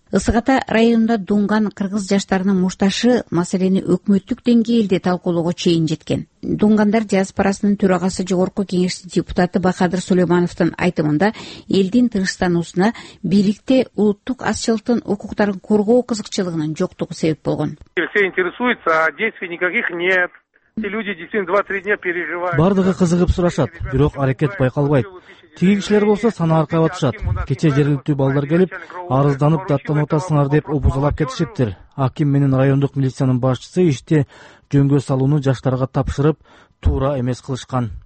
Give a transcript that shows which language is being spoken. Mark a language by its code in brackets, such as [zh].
[ky] Ысык Ата районунда Дунган кыргыз жаштарынын мушташы маселени өкмөттүк деңгээлде талкуулоого чейин жеткен. Дунгандар диаспорасынын төрагасы жогорку кеңештин депутаты Бахадыр Сулеймановдун айтымында элдин тынчтануусуна бийликте улуттук азчылыктын укуктарын коргоо кызыкчылыгынын жоктугу себеп болгон. [ru] Все интересуются, а действий никаких нет. [ky] Бардыгы кызыгып сурашат, бирок аракет байкалбайт. Тигил кишилер болсо сана аркайып атышат. Кече жергиликтүү балдар келип, арызданып даттанып атасыңар деп обузалап кетишиптир. Аким менен райондук милициянын башчысы ишти жөнгө салууну жаштарга тапшырып, туура эмес кылышкан